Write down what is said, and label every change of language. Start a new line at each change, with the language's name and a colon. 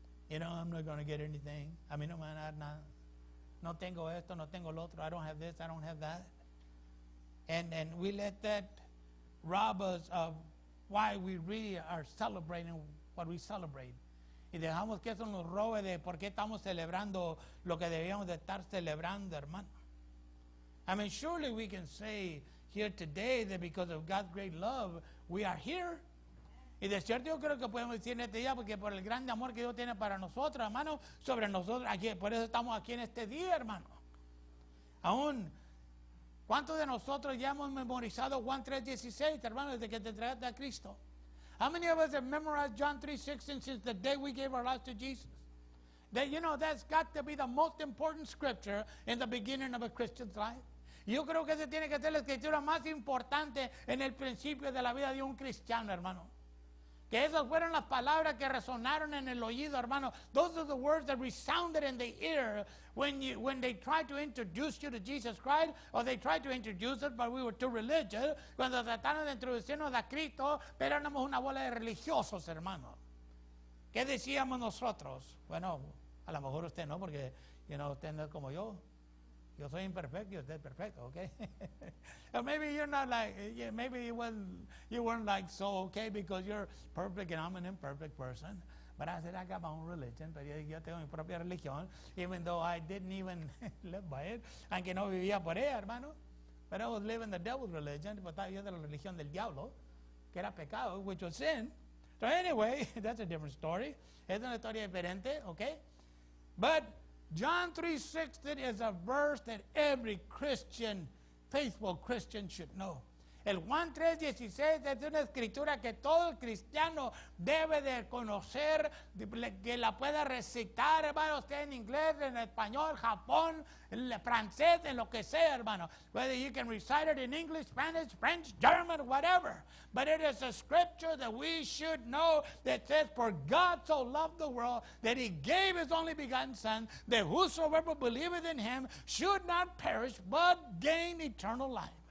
English: You know, I'm not going to get anything.
Spanish: A mí no me van a dar nada. No tengo esto, no tengo lo otro.
English: I don't have this, I don't have that. And we let that rob us of why we really are celebrating what we celebrate.
Spanish: Y dejamos que eso nos robe de por qué estamos celebrando lo que debíamos de estar celebrando, hermano.
English: I mean, surely we can say here today that because of God's great love, we are here.
Spanish: Y de cierto yo creo que podemos decir en este día porque por el grande amor que Dios tiene para nosotros, hermano, sobre nosotros, aquí, por eso estamos aquí en este día, hermano. Aún, ¿cuántos de nosotros ya hemos memorizado Juan 3:16, hermano, desde que te entregaste a Cristo?
English: How many of us have memorized John 3:16 since the day we gave our lives to Jesus? That, you know, that's got to be the most important scripture in the beginning of a Christian's life.
Spanish: Yo creo que esa tiene que ser la escritura más importante en el principio de la vida de un cristiano, hermano. Que esas fueron las palabras que resonaron en el oído, hermano.
English: Those are the words that resounded in the ear when they tried to introduce you to Jesus Christ, or they tried to introduce us, but we were too religious.
Spanish: Cuando trataron de introducirnos a Cristo, pero éramos una bola de religiosos, hermano. ¿Qué decíamos nosotros? Bueno, a lo mejor usted no, porque you know, usted no es como yo. Yo soy imperfecto, y usted es perfecto, okay?
English: Maybe you're not like, maybe you weren't like so okay because you're perfect and I'm an imperfect person. But I said, I got my own religion,
Spanish: pero yo tengo mi propia religión,
English: even though I didn't even live by it,
Spanish: aunque no vivía por ella, hermano.
English: But I was living the devil's religion,
Spanish: pero estaba viviendo la religión del diablo, que era pecado,
English: which was sin. So anyway, that's a different story.
Spanish: Es una historia diferente,
English: okay? But John 3:16 is a verse that every Christian, faithful Christian should know.
Spanish: El Juan 3:16 es una escritura que todo cristiano debe de conocer, que la pueda recitar, hermano, usted en inglés, en español, Japón, en francés, en lo que sea, hermano.
English: Whether you can recite it in English, Spanish, French, German, whatever. But it is a scripture that we should know that says, for God so loved the world that he gave his only begotten son, that whosoever believeth in him should not perish, but gain eternal life.